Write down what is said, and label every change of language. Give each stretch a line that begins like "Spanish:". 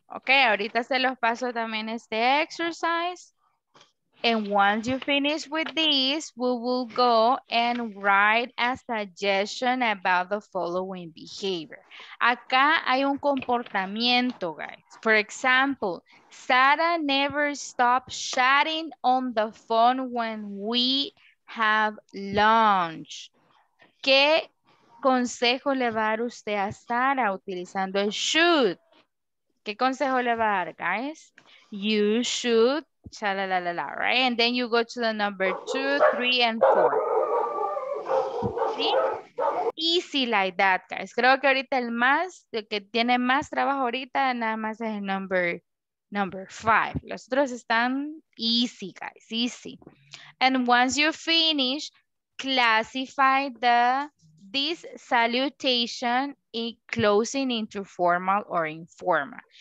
Spanish: Okay, ahorita se los paso también este exercise.
English: And once you finish with this, we will go and write a suggestion about the following behavior.
Spanish: Acá hay un comportamiento,
English: guys. For example, Sarah never stops chatting on the phone when we have lunch.
Spanish: ¿Qué consejo le va a dar usted a Sarah utilizando el should? ¿Qué consejo le va a dar, guys?
English: You should, cha-la-la-la-la, right? And then you go to the number 2, 3, and 4. ¿Sí? Easy like that, guys.
Spanish: Creo que ahorita el más, el que tiene más trabajo ahorita, nada más es el number 5. Los otros están
English: easy, guys, easy. And once you finish, classify this salutation in closing into formal or informal.